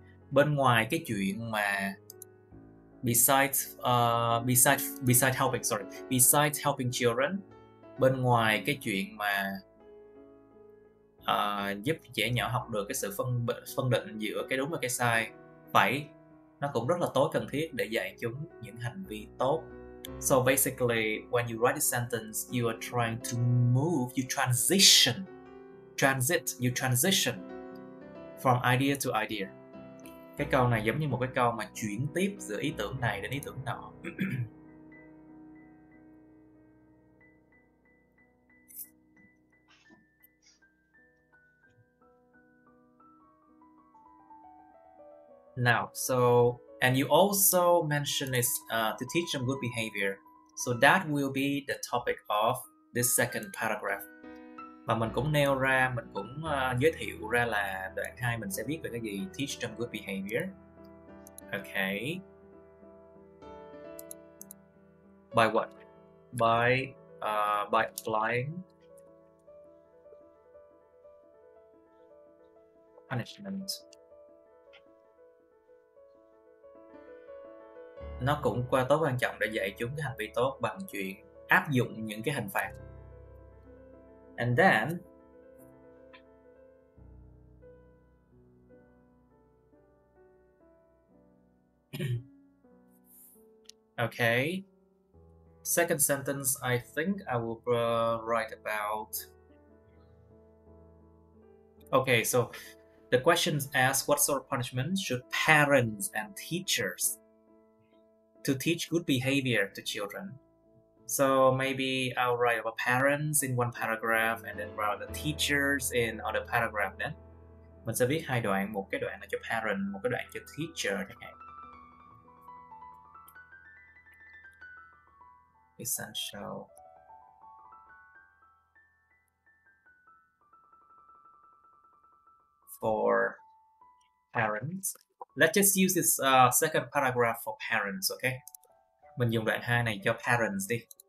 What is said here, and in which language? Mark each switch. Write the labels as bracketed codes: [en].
[vi] Bên ngoài cái chuyện mà [en] besides helping children, [vi] bên ngoài cái chuyện mà giúp trẻ nhỏ học được cái sự phân định giữa cái đúng và cái sai, phải nó cũng rất là tối cần thiết để dạy chúng những hành vi tốt. [en] So basically, when you write a sentence, you are trying to move, you transition from idea to idea. [vi] Cái câu này giống như một cái câu mà chuyển tiếp giữa ý tưởng này đến ý tưởng nọ. [en] Now, so, and you also mentioned is to teach them good behavior. So that will be the topic of this second paragraph. [vi] Và mình cũng nêu ra, mình cũng giới thiệu ra là đoạn 2 mình sẽ viết về cái gì? [en] Teach them good behavior. Okay. By what? By applying punishment. [vi] Nó cũng qua tối quan trọng để dạy chúng cái hành vi tốt bằng chuyện áp dụng những cái hình phạt. [en] And then okay, second sentence, I think I will write about, okay, so the question asks, what sort of punishment should parents and teachers to teach good behavior to children? So maybe I'll write about parents in one paragraph and then write the teachers in other paragraph then. [vi] Mình sẽ viết hai đoạn, một cái đoạn là cho parent, một cái đoạn cho teacher. [en] Essential. For parents. Let's just use this second paragraph for parents, okay? [vi] Mình dùng đoạn 2 này cho parents đi.